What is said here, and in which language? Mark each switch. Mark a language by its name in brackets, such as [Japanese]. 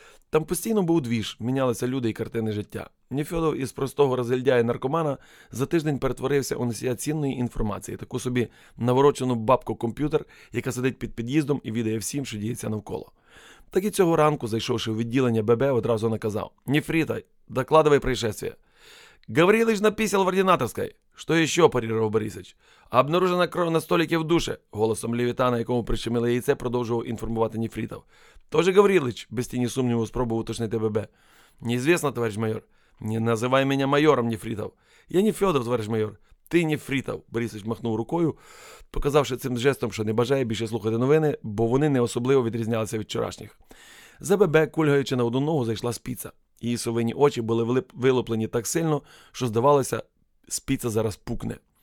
[Ukrainian] Там постійно був двіж, мінялися люди і картини життя. Нефьодов із простого розглядяя наркомана за тиждень перетворився у носія цінної інформації, таку собі наворочену бабку-комп'ютер, яка сидить під під'їздом і відає всім, що діється навколо. Так і цього ранку, зайшовши у відділення ББ, одразу наказав: [Russian] «Нефритай, докладывай происшествие». «Гаврилыч написал в ординаторской». «Что еще?» [Ukrainian] – парировал Борисович. [Russian] «Обнаружена кровь на столике в душе», [Ukrainian] – голосом Левитана, якому прищемило яйце, продовжував інформувати Нефритов. [Russian] «Тоже Гаврилыч?» [Ukrainian] – без тіні сумніву спробував уточнити ББ. [Russian] «Неизвестно, товарищ майор». [Ukrainian] «Не називай мене майором, Нефритов». [Russian] «Я не Федов, товарищ майор». [Ukrainian] «Ти Нефритов», – Борисович махнув рукою, показавши цим жестом, що не бажає більше слухати новини, бо вони не особливо відрізнялися від вчорашніх. За ББ, кульгаючи на одну ногу, зайшла спіца. Її совині очі були вилуплені так сильно, що здавалося, спіца зараз пукне.